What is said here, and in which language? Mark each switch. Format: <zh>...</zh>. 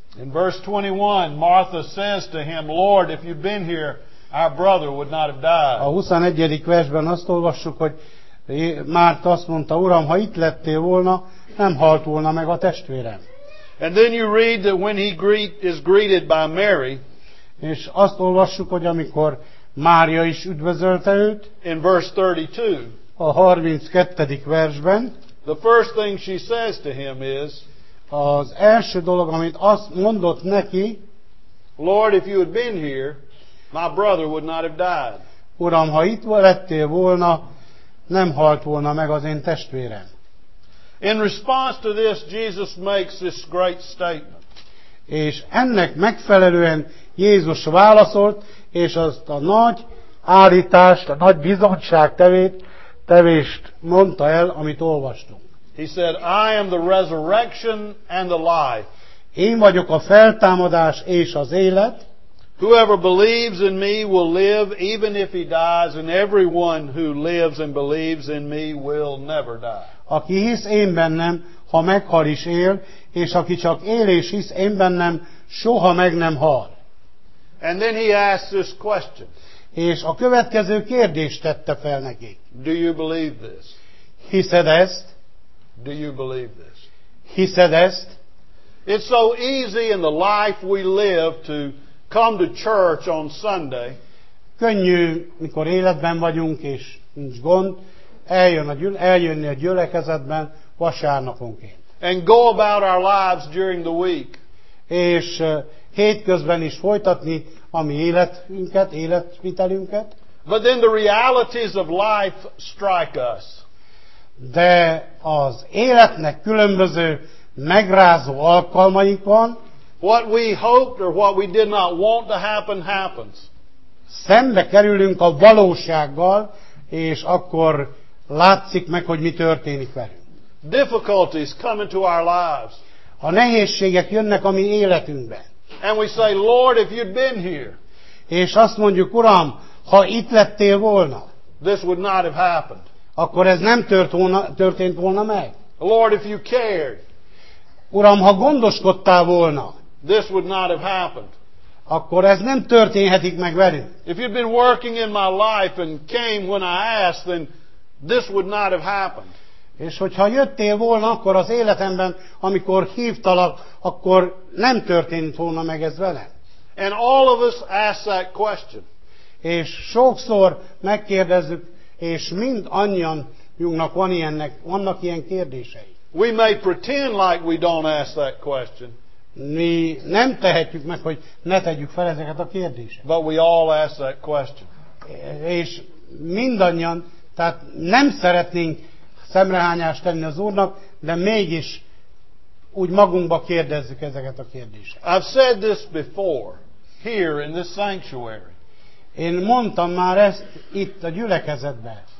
<en>In verse 21, Martha says to him, Lord, if you'd been here, our brother would not have died.</en> <hu>A 21. versben azt olvassuk, hogy Márta azt mondta, Uram, ha itt lettél volna, nem halt volna meg a testvérem.</hu> <en>And then you read that when he is greeted by Mary,</en> <hu>és azt olvassuk, hogy amikor Mária is üdvözölte őt,</hu> <en>in verse 32,</en> <hu>a 32. versben,</hu> <en>the first thing she says to him is,</en> <hu>az első dolog, amit azt mondott neki,</hu> <en>Lord, if you had been here, my brother would not have died.</en> <hu>Uram, ha itt lettél volna, nem halt volna meg az én testvérem.</hu> <en>In response to this, Jesus makes this great statement.</en> <hu>És ennek megfelelően Jézus válaszolt, és azt a nagy állítást, a nagy bizonságtevést mondta el, amit olvastunk.</hu> <en>He said, I am the resurrection and the life.</en> <hu>Én vagyok a feltámadás és az élet.</hu> <en>Whoever believes in me will live even if he dies, and everyone who lives and believes in me will never die.</en> <hu>Aki hisz én bennem, ha meghal is él, és aki csak él és hisz én bennem, soha meg nem hal.</hu> <en>And then he asked this question.</en> <hu>És a következő kérdést tette fel neki.</hu> <en>Do you believe this?</en> <hu>Hiszed ezt?</hu> <en>Do you believe this?</en> <hu>Hiszed ezt?</hu> <en>It's so easy in the life we live to come to church on Sunday.</en> <hu>Könnyű, mikor életben vagyunk és nincs gond, eljönni a gyülekezetben vasárnaponként.</hu> <en>And go about our lives during the week.</en> <hu>És hétközben is folytatni a mi életvitelünket.</hu> <en>But then the realities of life strike us.</en> <hu>De az életnek különböző megrázó alkalmaik van.</hu> <en>What we hoped or what we did not want to happen happens.</en> <hu>Szembe kerülünk a valósággal, és akkor látszik meg, hogy mi történik velünk.</hu> <en>Difficulties come into our lives.</en> <hu>A nehézségek jönnek a mi életünkbe.</hu> <en>And we say, Lord, if you'd been here.</en> <hu>És azt mondjuk, Uram, ha itt lettél volna,</hu> <en>this would not have happened.</en> <hu>Akkor ez nem történt volna meg.</hu> <en>Lord, if you cared.</en> <hu>Uram, ha gondoskodtál volna,</hu> <en>this would not have happened.</en> <hu>Akkor ez nem történhetik meg velünk.</hu> <en>If you'd been working in my life and came when I asked, then this would not have happened.</en> <hu>És hogyha jöttél volna akkor az életemben, amikor hívtalak, akkor nem történt volna meg ez velem.</hu> <en>And all of us ask that question.</en> <hu>És sokszor megkérdezzük, és mind annyiunknak vannak ilyen kérdései.</hu> <en>We may pretend like we don't ask that question.</en> <hu>Mi nem tehetjük meg, hogy ne tegyük fel ezeket a kérdéseket.</hu> <en>But we all ask that question.</en> <hu>És mindannyian, tehát nem szeretnénk szemrehányást tenni az Úrnak, de mégis úgy magunkba kérdezzük ezeket a kérdéseket.</hu> <en>I've said this before, here in this sanctuary.</en> <hu>Én mondtam már ezt itt a gyülekezetben.</hu>